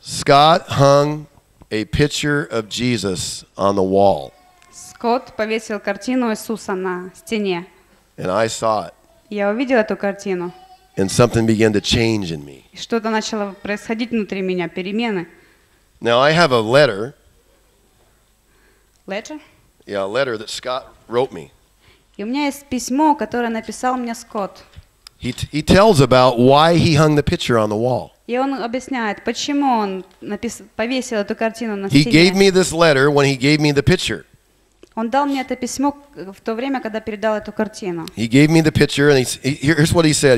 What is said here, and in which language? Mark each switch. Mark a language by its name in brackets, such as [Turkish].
[English] Scott hung a picture of Jesus on the wall. [Russian] Скотт повесил картину Иисуса на стене. [English] And I saw it. [Russian] Я увидел эту картину. [English] And something began to change in me. [Russian] Что-то начало происходить внутри меня, перемены. [English] Now I have a letter. Letter? Yeah, a letter that Scott wrote me. [Russian] И у меня есть письмо, которое написал мне Скотт. [English] He tells about why he hung the picture on the wall. [Russian] И он объясняет, почему он повесил эту картину на стене. [English] He gave me this letter when he gave me the picture. [Russian] Он дал мне это письмо в то время, когда передал эту картину. [English] He gave me the picture, and here's what he said.